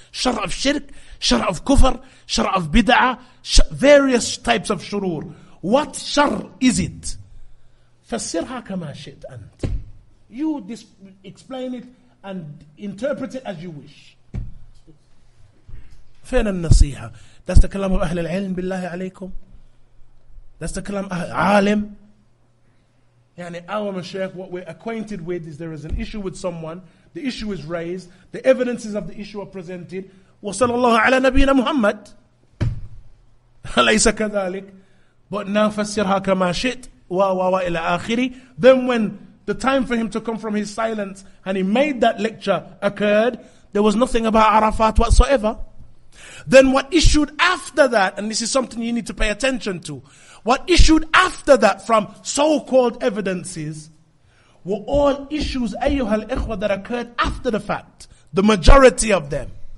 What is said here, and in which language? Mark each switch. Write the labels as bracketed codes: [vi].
[en] Shar of shirk, shar of kufr, shar of bid'ah, various types of shurur. What shar is it? [ar] Fasirha kama shi't ant. [en] You explain it and interpret it as you wish." [ar] فين النصيحة؟ [en] That's the kalam of [ar] أهل العلم بالله عليكم. [en] That's the kalam عالم. يعني our mashaykh, what we're acquainted with is there is an issue with someone, the issue is raised, the evidences of the issue are presented. [ar] وصلى الله على نبينا محمد. ليس كذلك. [en] But now [ar] فسرها كما شئت وواوا إلى آخره. [en] Then when the time for him to come from his silence and he made that lecture occurred, there was nothing about Arafat whatsoever. Then what issued after that, and this is something you need to pay attention to, what issued after that from so-called evidences were all issues, ayyuhal ikhwa, that occurred after the fact, the majority of them.